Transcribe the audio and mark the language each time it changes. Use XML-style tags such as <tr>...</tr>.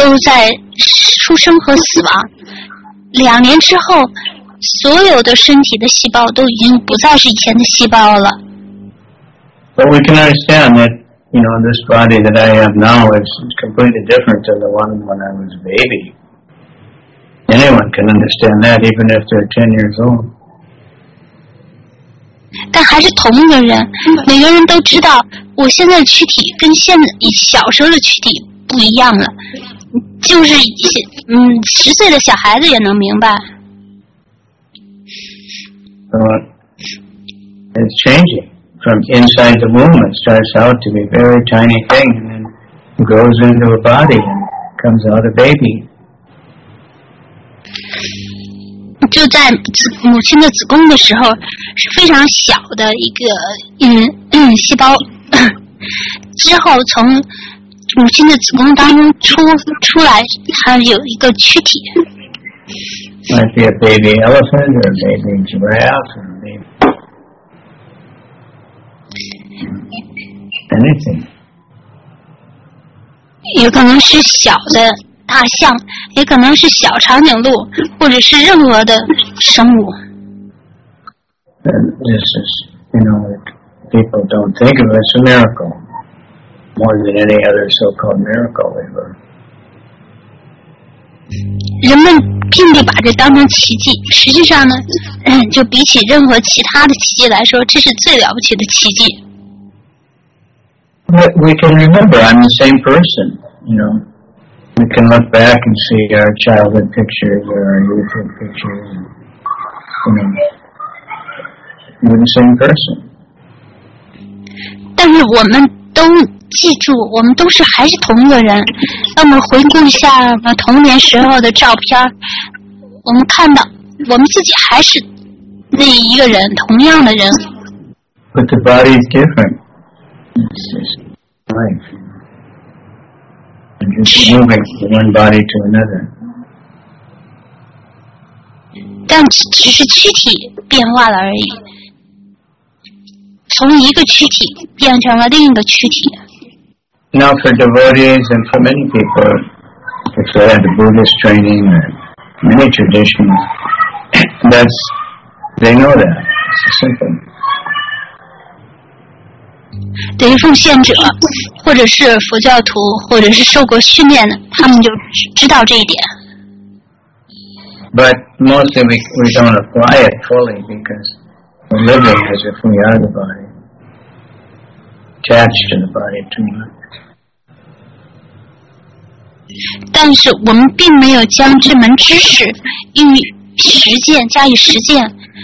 <zh>即便世俗科学家们，他们也承认，细胞每分钟都在出生和死亡。两年之后, 所有的身体的细胞都已经不再是以前的细胞了。</zh> <en>But we can understand that, you know, this body that I have now is completely different than the one when I was a baby. Anyone can understand that, even if they're 10 years old.</en> <zh>但还是同一个人, 每个人都知道, 我现在的躯体跟现在小时候的躯体不一样了。就是,10岁的小孩子也能明白。</zh> <en>it's changing. From inside the womb, it starts out to be a very tiny thing and then grows into a body and comes out a baby.</en> <zh>就在母亲的子宫的时候，是非常小的一个细胞。之后从母亲的子宫当中出来，它有一个躯体。</zh> <en>Might be a baby elephant or a baby giraffe or a baby anything.</en> <zh>有可能是小的大象，也可能是小长颈鹿，或者是任何的生物。</zh> <en>And this is, you know, people don't think of it as a miracle more than any other so-called miracle ever.</en> <zh>人们并不把这当成奇迹，实际上呢，就比起任何其他的奇迹来说，这是最了不起的奇迹。</zh> <en>But we can remember I'm the same person, you know. We can look back and see our childhood pictures or our YouTube pictures, and, you know, we're the same person.</en> <zh>但是我们都记住，我们都是还是同一个人。当我们回顾一下童年时候的照片，我们看到我们自己还是那一个人，同样的人。</zh> <en>But the body is different. It's just life. And just moving from one body to another.</en> <zh>但只是躯体变化了而已。从一个躯体变成了另一个躯体。</zh> <en>Now for devotees and for many people, if they had the Buddhist training or many traditions, that's, they know that. It's simple.</en> <zh>对于奉献者，或者是佛教徒，或者是受过训练的，他们就知道这一点。</zh> <en>But mostly we don't apply it fully because we're living as if we are the body, attached to the body too much.</en> <zh>但是我们并没有将这门知识用于实践，加以实践。</zh>